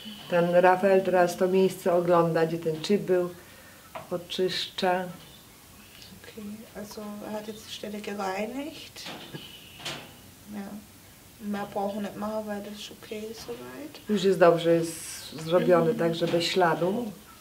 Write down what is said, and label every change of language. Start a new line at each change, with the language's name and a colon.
Polish: Ten Rafael teraz to miejsce ogląda, gdzie ten chip był, oczyszcza.
German: Okay, also hat jetzt die Stelle gereinigt. Ja, mehr brauchen nicht machen, weil das ist okay soweit.
Polish: Już jest dobrze zrobiony, tak, żeby śladu.